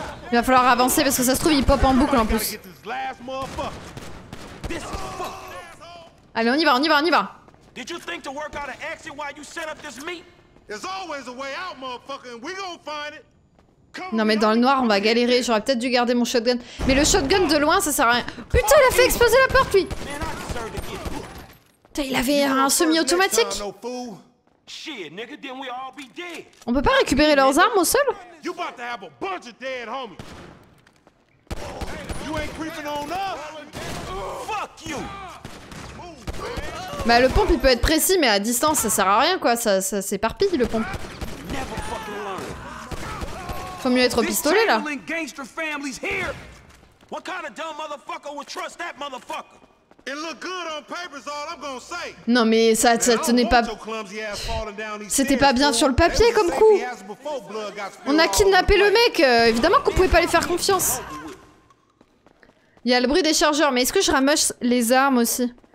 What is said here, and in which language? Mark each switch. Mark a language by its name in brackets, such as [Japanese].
[French] Il va falloir avancer parce que ça se trouve il pop en boucle en plus. Allez, on y va. [English] Did you think to work out an exit while you set up this meet? There's always a way out, motherfucker, and we gonna find it. [French] Non mais dans le noir on va galérer, j'aurais peut-être dû garder mon shotgun. Mais le shotgun de loin ça sert à rien. Putain, il a fait exploser la porte lui. Putain, il avait un semi-automatique. [English] Shit, nigga, then we all be dead. [French] On peut pas récupérer leurs armes au sol? [English] You about to have a bunch of dead homies. You ain't creeping on us. Fuck you. [French] Bah le pompe il peut être précis mais à distance ça sert à rien quoi, ça s'éparpille le pompe. Faut mieux être au pistolet là. [English] What kind of dumb motherfucker would trust that motherfucker? It look good on papers, all I'm gonna say. [French] Non mais ça tenait pas. C'était pas bien sur le papier comme coup. On a kidnappé le mec, évidemment qu'on pouvait pas lui faire confiance. Il y a le bruit des chargeurs, mais est-ce que je ramasse les armes aussi?